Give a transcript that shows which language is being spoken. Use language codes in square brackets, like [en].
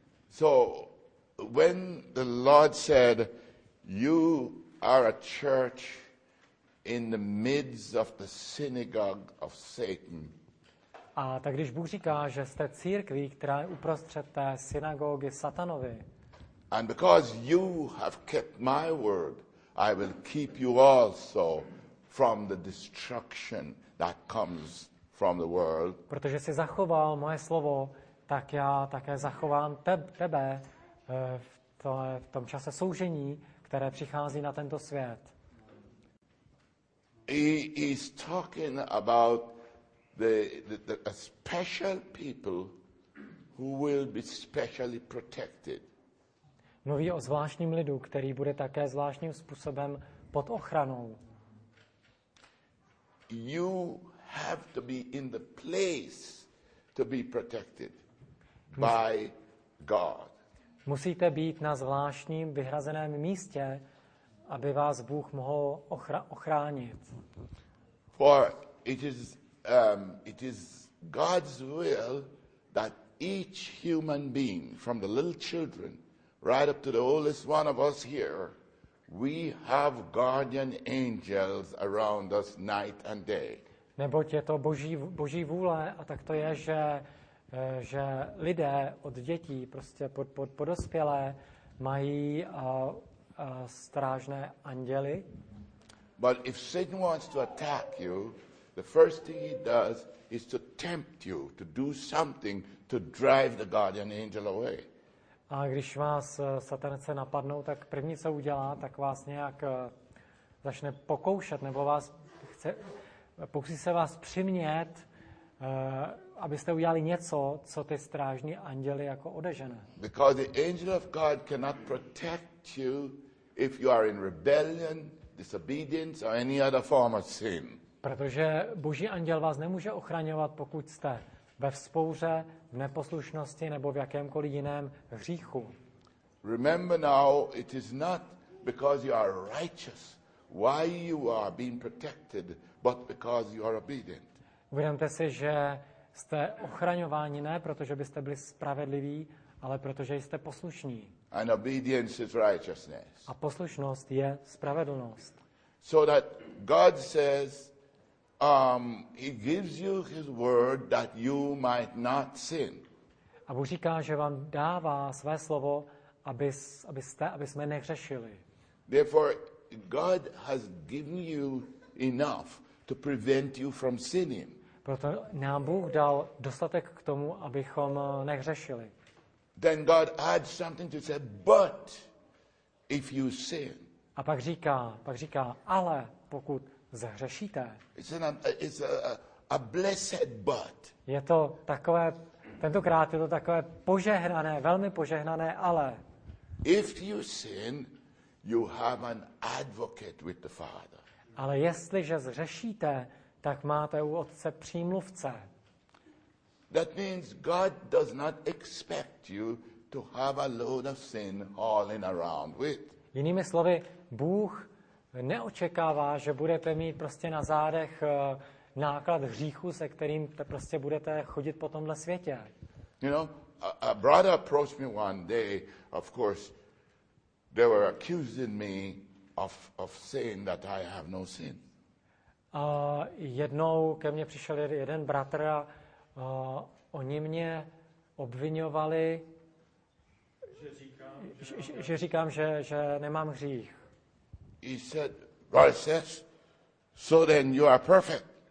[en] So, when the Lord said, you are a church in the midst of the synagogue of Satan. [cs] A tak když Bůh říká, že jste církví, která je uprostřed té synagogy Satanovy, [en] and because you have kept my word, I will keep you also from the destruction that comes from the world. [cs] Protože jsi zachoval moje slovo, tak já také zachovám tebe v v tom čase soužení, které přichází na tento svět. [en] He is talking about the a special people who will be specially protected. [cs] Mluví o zvláštním lidu, který bude také zvláštním způsobem pod ochranou. [en] You have to be in the place to be protected by God. [cs] Musíte být na zvláštním vyhrazeném místě, aby vás Bůh mohl ochránit. [en] For it is God's will that each human being, from the little children right up to the oldest one of us here, we have guardian angels around us night and day. [cs] Neboť je to boží vůle, a tak to je, že lidé od dětí prostě po dospělé mají strážné anděly. [en] But if Satan wants to attack you, the first thing he does is to tempt you to do something to drive the guardian angel away. [cs] A když vás Satan chce napadnout, tak první, co udělá, tak vás nějak začne pokoušet, nebo vás chce, pokusí se vás přimět, abyste udělali něco, co ty strážní anděly jako odežene. [en] Because the angel of God cannot protect you if you are in rebellion, disobedience or any other form of sin. [cs] Protože boží anděl vás nemůže ochraňovat, pokud jste ve vzpouře, v neposlušnosti nebo v jakémkoliv jiném hříchu. [en] Remember now, it is not because you are righteous why you are being protected, but because you are obedient. [cs] Uvědomte si, že jste ochraňováni ne protože byste byli spravedliví, ale protože jste poslušní. [en] And obedience is righteousness. [cs] A poslušnost je spravedlnost. [en] So that God says he gives you his word that you might not sin. [cs] A Bůh říká, že vám dává své slovo, aby jsme nehřešili. [en] Therefore God has given you enough to prevent you from sinning. [cs] Proto nám Bůh dal dostatek k tomu, abychom nehřešili. [en] Then God adds something to say, but if you sin. [cs] A pak říká, ale pokud zhřešíte. [en] It's a blessed but. [cs] Je to takové, tentokrát je to takové požehnané, velmi požehnané ale. [en] If you sin, you have an advocate with the Father. [cs] Ale jestliže zhřešíte, tak máte u Otce přímluvce. [en] That means God does not expect you to have a load of sin hauling around with. [cs] Jinými slovy, Bůh neočekává, že budete mít prostě na zádech náklad hříchu, se kterým prostě budete chodit po tomhle světě. [en] You know, a brother approached me one day, of course, they were accusing me of sin that I have no sin. [cs] A jednou ke mně přišel jeden bratr a oni mě obvinovali, že říkám, že nemám hřích. [en] He said, "Brother says, so then you are perfect."